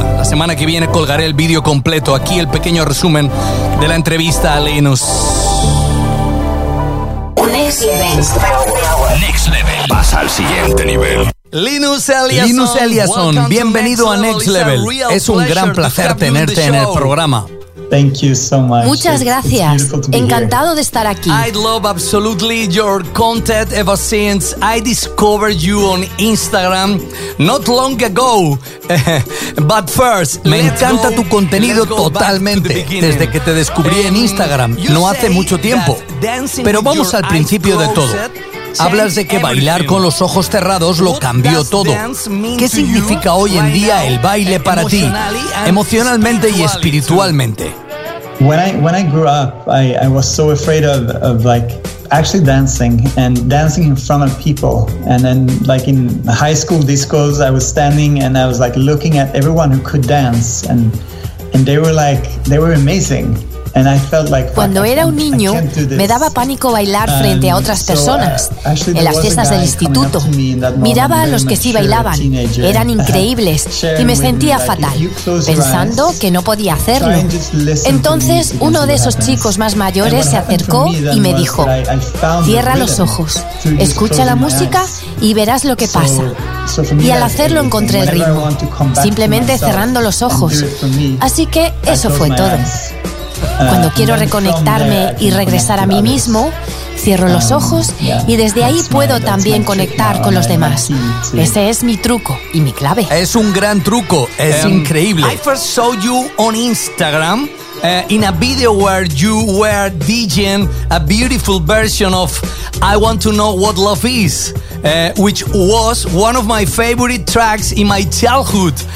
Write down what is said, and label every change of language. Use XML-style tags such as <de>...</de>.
<es>La semana que viene colgaré el vídeo completo. Aquí el pequeño resumen de la entrevista a Linus.</es> <en>Next level.</en> <es>Next level. Pasa al siguiente nivel. Linus Eliasson, bienvenido a Next Level. Es un gran placer tenerte en el programa.</es> <en>Thank you so much.</en> <es>Muchas gracias. Encantado de estar aquí.</es> <en>I love absolutely your content ever since I discovered you on Instagram not long ago. But first,</en> <es>me encanta tu contenido totalmente desde que te descubrí en Instagram, no hace mucho tiempo. Pero vamos al principio de todo. Hablas de que bailar con los ojos cerrados lo cambió todo. ¿Qué significa hoy en día el baile para ti, emocionalmente y espiritualmente?</es> <en>When I grew up, I was so afraid of like actually dancing and dancing in front of people. And then like in high school discos, I was standing and I was like looking at everyone who could dance and they were amazing. And I felt like,</en> <es>cuando era un niño, me daba pánico bailar frente a otras personas. En las fiestas del instituto, miraba a los que sí bailaban, eran increíbles, y me sentía fatal, pensando que no podía hacerlo. Entonces, uno de esos chicos más mayores se acercó y me dijo, cierra los ojos, escucha la música y verás lo que pasa. Y al hacerlo encontré el ritmo, simplemente cerrando los ojos. Así que eso fue todo. Cuando quiero reconectarme y regresar a mí mismo, cierro los ojos y desde ahí puedo también conectar con los demás. Ese es mi truco y mi clave. Es un gran truco, es increíble.</es> <en>I first saw you on Instagram in a video where you were DJing a beautiful version of I Want to Know What Love Is, which was one of my favorite tracks in my childhood.</en>